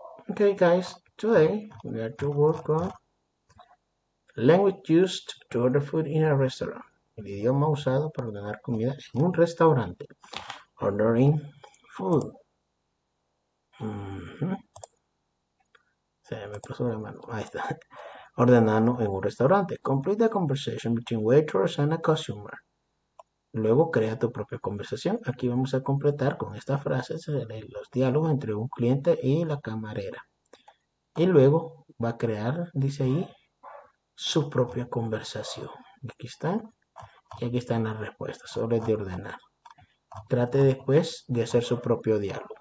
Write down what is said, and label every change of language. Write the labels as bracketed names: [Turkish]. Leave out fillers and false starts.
[English] Okay guys, today we are to work on language used to order food in a restaurant. [Spanish] El idioma usado para ordenar comida en un restaurante. [English] Ordering food. [Spanish] Se me pasó la mano. Ahí está. Ordenando en un restaurante. [English] Complete the conversation between waiters and a customer. [Spanish] Luego crea tu propia conversación. Aquí vamos a completar con esta frase los diálogos entre un cliente y la camarera. Y luego va a crear, dice ahí, su propia conversación. Aquí están. Y aquí están las respuestas. Solo es de ordenar. Trate después de hacer su propio diálogo.